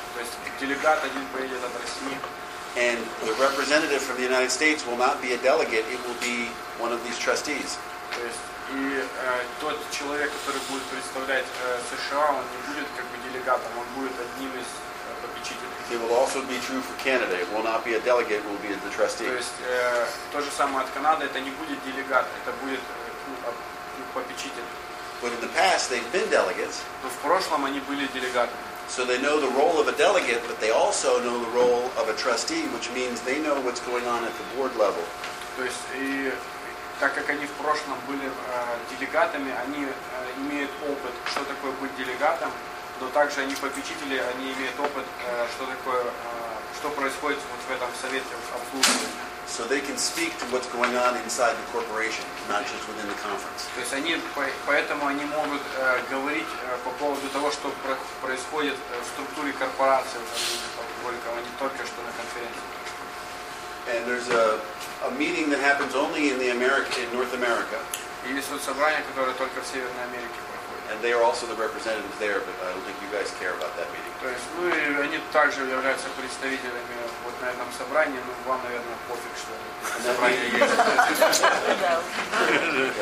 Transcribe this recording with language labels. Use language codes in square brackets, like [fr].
[ru] То есть делегат один поедет от России. [en] And the representative from the United States will not be a delegate, it will be one of these trustees. [ru] То есть, и тот человек, который будет представлять США, он не будет как бы делегатом, он будет одним из попечителей. [en] It will also be true for Canada. It will not be a delegate, it will be the trustee. [ru] То есть, то же самое от Канады, это не будет делегат, это будет попечитель. [en] But in the past, they've been delegates. [ru] Но в прошлом они были делегатами. [en] So they know the role of a delegate, but they also know the role of a trustee, which means they know what's going on at the board level. [ru] То есть, и так как они в прошлом были делегатами, они имеют опыт, что такое быть делегатом, но также они попечители, они имеют опыт, что такое, что происходит вот в этом совете обслуживания. [en] So they can speak to what's going on inside the corporation, not just within the conference. [ru] То есть они поэтому они могут говорить по поводу того, что происходит в структуре корпорации, только они только что на конференции. [en] And there's a meeting that happens only in the America, in North America. [ru] И есть вот собрание, которое только в Северной Америке проходит. [en] And they are also the representatives there, but I don't think you guys care about that meeting. [ru] То есть, ну и они также являются представителями вот на этом собрании, но вам, наверное, пофиг, что собрание